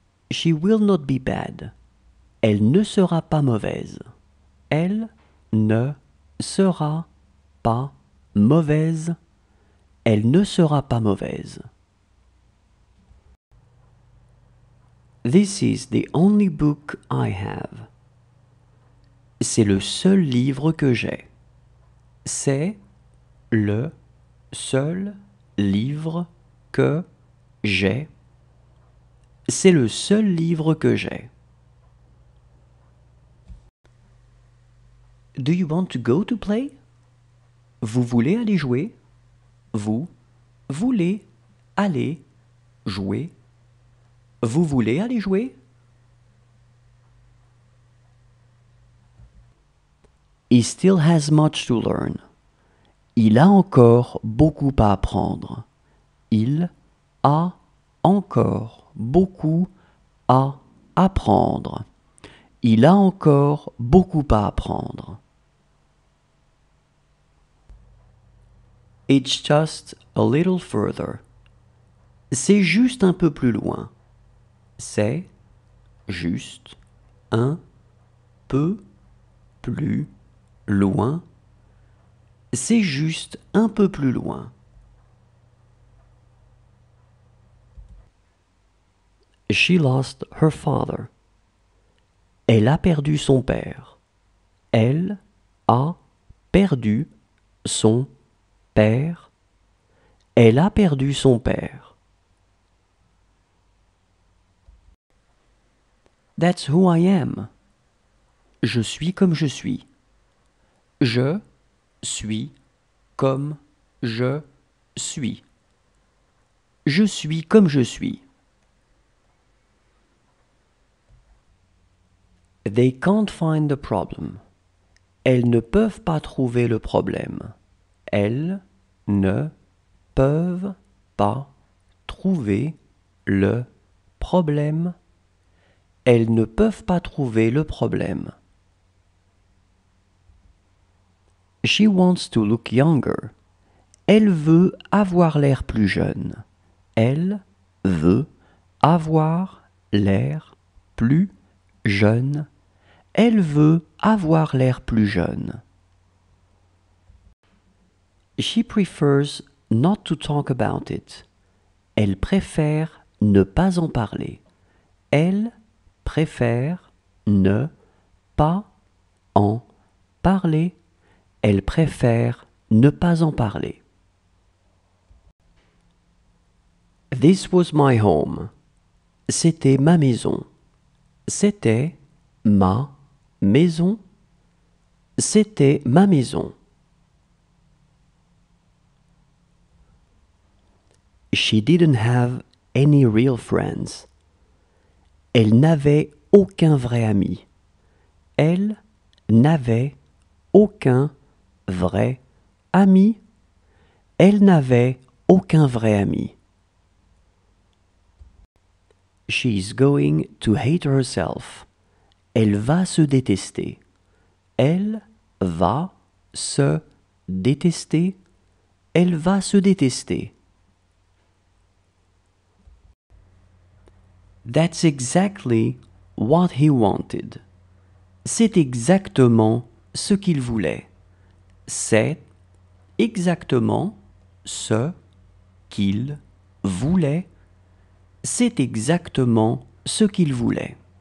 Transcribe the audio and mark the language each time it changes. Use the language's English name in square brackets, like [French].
[English] She will not be bad. [French] Elle ne sera pas mauvaise. Elle ne sera pas mauvaise, elle ne sera pas mauvaise. [English] This is the only book I have. [French] C'est le seul livre que j'ai. C'est le seul livre que j'ai. C'est le seul livre que j'ai. [English] Do you want to go to play? [French] Vous voulez aller jouer? Vous voulez aller jouer? Vous voulez aller jouer? [English] He still has much to learn. [French] Il a encore beaucoup à apprendre. Il a encore beaucoup à apprendre. Il a encore beaucoup à apprendre. [English] It's just a little further. [French] C'est juste un peu plus loin. C'est juste un peu plus loin. C'est juste un peu plus loin. [English] She lost her father. [French] Elle a perdu son père. Elle a perdu son père. Elle a perdu son père. [English] That's who I am. [French] Je suis comme je suis. Je suis comme je suis. Je suis comme je suis. [English] They can't find the problem. [French] Elles ne peuvent pas trouver le problème. Elles ne peuvent pas trouver le problème. Elles ne peuvent pas trouver le problème. [English] She wants to look younger. [French] Elle veut avoir l'air plus jeune. Elle veut avoir l'air plus jeune. Elle veut avoir l'air plus jeune. [English] She prefers not to talk about it. [French] Elle préfère ne pas en parler. Elle préfère ne pas en parler. Elle préfère ne pas en parler. [English] This was my home. [French] C'était ma maison. C'était ma maison. C'était ma maison. [English] She didn't have any real friends. [French] Elle n'avait aucun vrai ami. Elle n'avait aucun vrai ami. Elle n'avait aucun vrai ami. [English] She's going to hate herself. [French] Elle va se détester. Elle va se détester. Elle va se détester. [English] That's exactly what he wanted. [French] C'est exactement ce qu'il voulait. C'est exactement ce qu'il voulait. C'est exactement ce qu'il voulait.